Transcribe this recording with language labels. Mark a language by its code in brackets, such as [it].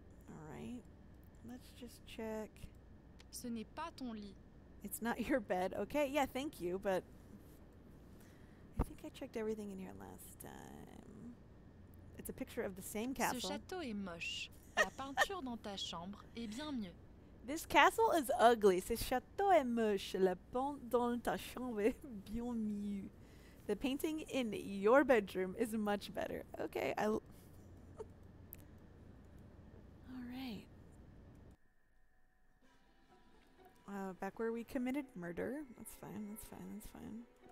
[en] All right. Let's just check. [fr] Ce n'est pas ton lit. [en] It's not your bed. Okay. Yeah, thank you, but I think I checked everything in here last time. It's a picture of the same castle. [fr] Ce château est moche. La peinture dans ta chambre est bien mieux. [en] This castle is ugly. [fr] Ce château est moche. La peinture dans ta chambre est bien mieux. [en] The painting in your bedroom is much better. Okay, All right. Back where we committed murder. That's fine.